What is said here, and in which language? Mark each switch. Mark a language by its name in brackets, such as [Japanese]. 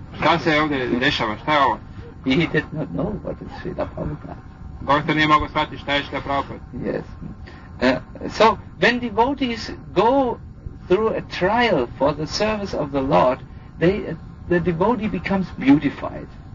[Croatian] Šta se ovdje dešava, šta je ovo? [English] He did not know what is Srila Prabhupada. [Croatian] Doktor nije mogao shvatiti šta je Srila Prabhupada. [English] Yes. So, when devotees go through a trial for the service of the Lord, the devotee becomes beautified.